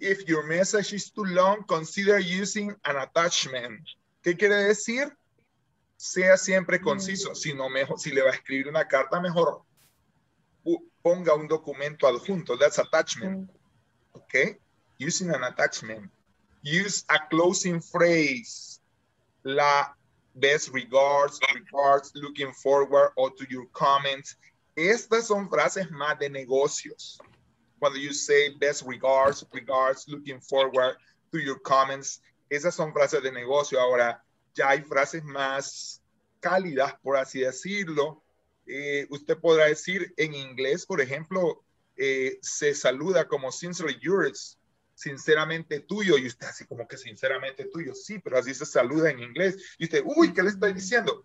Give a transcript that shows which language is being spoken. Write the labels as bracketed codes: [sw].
[en] If your message is too long, consider using an attachment. [es] ¿Qué quiere decir? Sea siempre conciso. Si no, mejor, si le va a escribir una carta, mejor ponga un documento adjunto. [en] That's attachment. Okay? Using an attachment. Use a closing phrase. La best regards, regards, looking forward, or to your comments. [es] Estas son frases más de negocios. Cuando [en] you say best regards, regards, looking forward to your comments. [es] Esas son frases de negocio. Ahora, ya hay frases más cálidas, por así decirlo. Usted podrá decir en inglés, por ejemplo, se saluda como [en] sincerely yours, [es] sinceramente tuyo. Y usted así como que sinceramente tuyo. Sí, pero así se saluda en inglés. Y usted, uy, ¿qué le estoy diciendo?